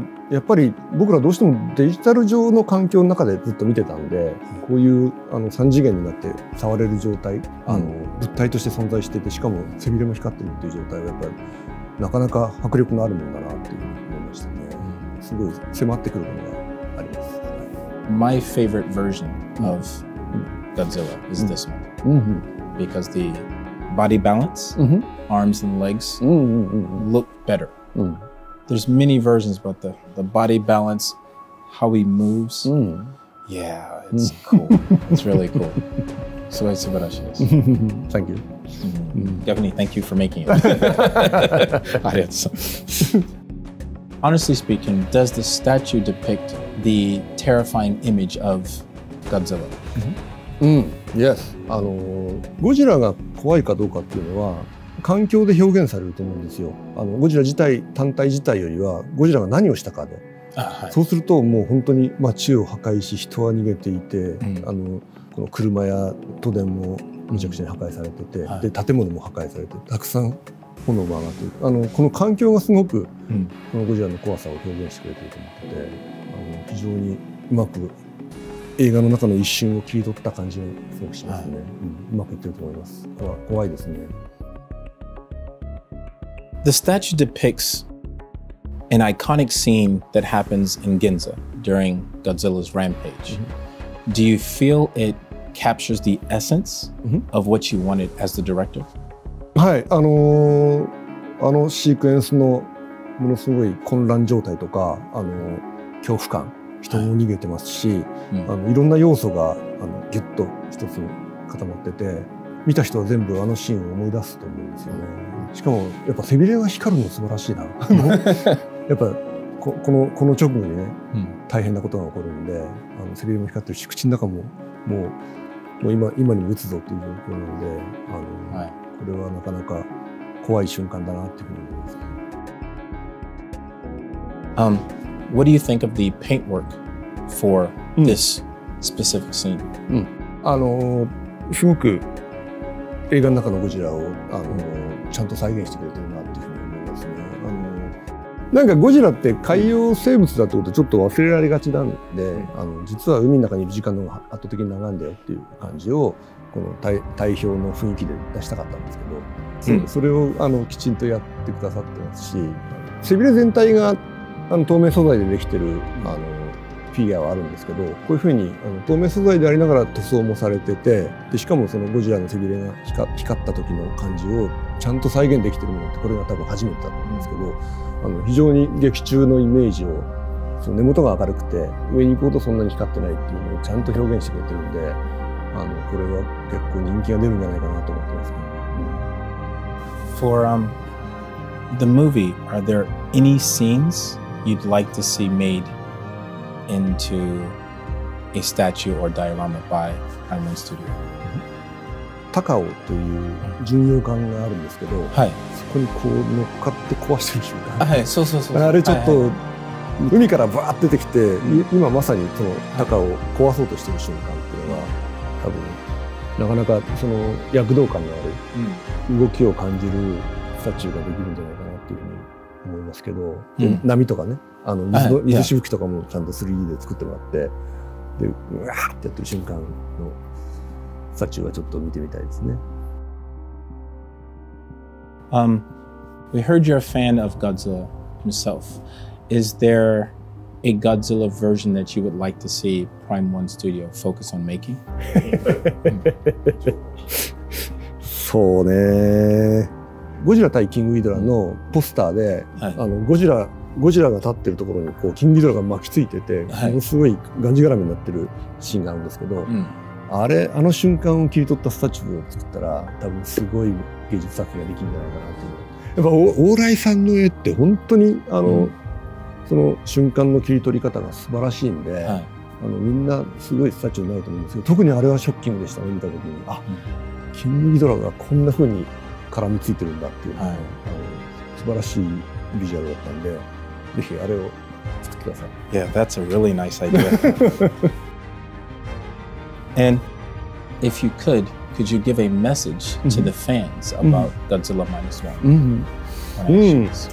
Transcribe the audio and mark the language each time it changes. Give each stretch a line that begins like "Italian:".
Japanese: やっぱり僕らどうしてもデジタル上の環境の中でずっと見てたんで、こういう3次元になって触れる状態、物体として存在していて、しかも背びれも光ってるっていう状態はやっぱりなかなか迫力のあるものだなっていうふうに思いましたね。すごい迫ってくるものがあります。
English: My favorite version of Godzilla is this one、because the body balance、arms and legs、look better、There's many versions, but the body balance, how he moves,、yeah, it's cool. It's really cool.
Japanese: すごい素晴らしいです。
English: Thank you. Definitely, thank you for making it.
Japanese: ありがとうございます。
English: Honestly speaking, does the statue depict the terrifying image of Godzilla? Yes.
Japanese: ゴジラが怖いかどうかっていうのは、環境で表現されると思うんですよ。ゴジラ自体単体自体よりはゴジラが何をしたかで、そうするともう本当に街を破壊し人は逃げていて、この車や都電もめちゃくちゃに破壊されてて、で建物も破壊されてたくさん炎が上がっている、この環境がすごくこのゴジラの怖さを表現してくれていると思ってて、非常にうまく映画の中の一瞬を切り取った感じがすごくしますね、うまくいってると思います。怖いですね。
English: The statue depicts an iconic scene that happens in Ginza during Godzilla's rampage. Do you feel it captures the essence of what you wanted as the director?
Japanese: はい、あのシークエンスのものすごい混乱状態とか、恐怖感、人も逃げてますし、いろんな要素がギュッと一つに固まってて、見た人は全部あのシーンを思い出すと思うんですよね。しかもやっぱ背びれが光るの素晴らしいな。やっぱ この直後にね、大変なことが起こるんで、背びれも光ってるし口の中ももう 今にも撃つぞっていう状況なので、はい、これはなかなか怖い瞬間だなっていうふうに思います。
English: What do you think of the paintwork for this specific scene?
Japanese: すごく映画の中のゴジラをちゃんと再現してくれてるなっていうふうに思いますね。なんかゴジラって海洋生物だってことちょっと忘れられがちなんで、実は海の中にいる時間の方が圧倒的に長いんだよっていう感じをこの体表の雰囲気で出したかったんですけど、それをきちんとやってくださってますし、背びれ全体が透明素材でできてるフィギュアはあるんですけど、こういうふうに透明素材でありながら塗装もされてて、でしかもそのゴジラの背びれが光った時の感じをちゃんと再現できてるものってこれが多分初めてだと思うんですけど、非常に劇中のイメージをその根元が明るくて上に行こうとそんなに光ってないっていうのをちゃんと表現してくれてるんで、これは結構人気が出るんじゃないかなと思ってますけど、
English: For the movie, are there any scenes you'd like to see madeinto a statue or diorama by Prime One Studio?
Japanese: Takao という巡洋艦があるんですけど、はい、そこにこう乗っかって壊してる瞬間、はい、そうそうそう、あれちょっと海からバーって出てきて、はいはい、今まさにその Takao を壊そうとしてる瞬間っていうのは、多分なかなかその躍動感のある動きを感じるスタチューができるんじゃないかなっていうふうに思いますけど、で波とかね、水しぶきとかもちゃんと 3D で作ってもらって、でうわーってやってる瞬間の撮影はちょっと見てみたいですね。
English: We heard you're a fan of Godzilla himself. Is there a Godzilla version that you would like to see Prime One Studio focus on making?
Japanese: そうね、ゴジラ対キングギドラのポスターで、はい、あのゴジラが立ってるところにこうキングギドラが巻きついてて、はい、ものすごいがんじがらめになってるシーンがあるんですけど、うん、あれあの瞬間を切り取ったスタチューを作ったら多分すごい芸術作品ができるんじゃないかなっていう。やっぱ往来さんの絵って本当にあの、うん、その瞬間の切り取り方が素晴らしいんで、はい、あのみんなすごいスタチューになると思うんですけど、特にあれはショッキングでしたね、見た時に、あ、うん、キングギドラがこんな風に絡みついてるんだっていう、はい、素晴らしいビジュアルだったんで、ぜひあれを作ってください。
English: Yeah, that's a really nice idea. And if you could you give a message to the fans about Godzilla Minus One?